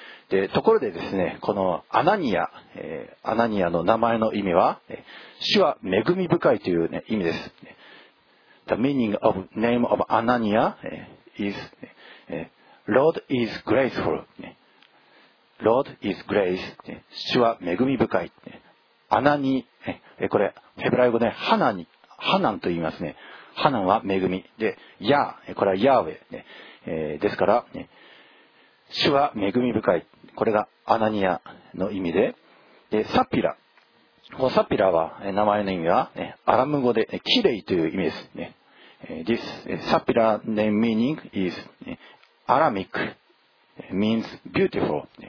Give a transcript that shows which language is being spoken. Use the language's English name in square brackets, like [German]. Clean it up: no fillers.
[Japanese] でところでですね、このアナニア、アナニアの名前の意味は、主は恵み深いという、ね、意味です。 [English] The meaning of name of Anania is Lord is graceful. Lord is grace. [Japanese] 主は恵み深い。アナニ、これヘブライ語で、ね、ハナニ、ハナンと言いますね。ハナンは恵み。で、ヤー、これはヤーウェ、ですから、主は恵み深い。これがアナニアの意味で、でサピラ、サピラは名前の意味は、ね、アラム語でキレイという意味です、ね。 [English] This Sapphira name meaning is Aramic means beautiful.